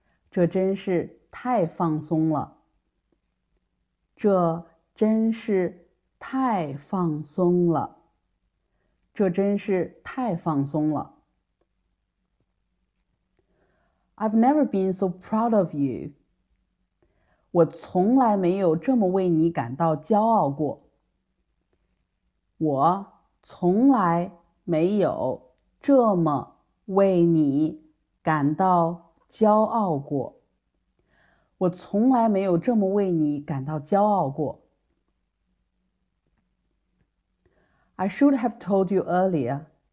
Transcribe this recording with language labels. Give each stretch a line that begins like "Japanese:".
Chinese: 这真是太放松了。这真是太放松了。这真是太放松了。
English: I've never been so proud of you.
Chinese: 我从来没有这么为你感到骄傲过。我从来没有这么为你感到骄傲过。我从来没有这么为你感到骄傲过。
English: I should have told you earlier.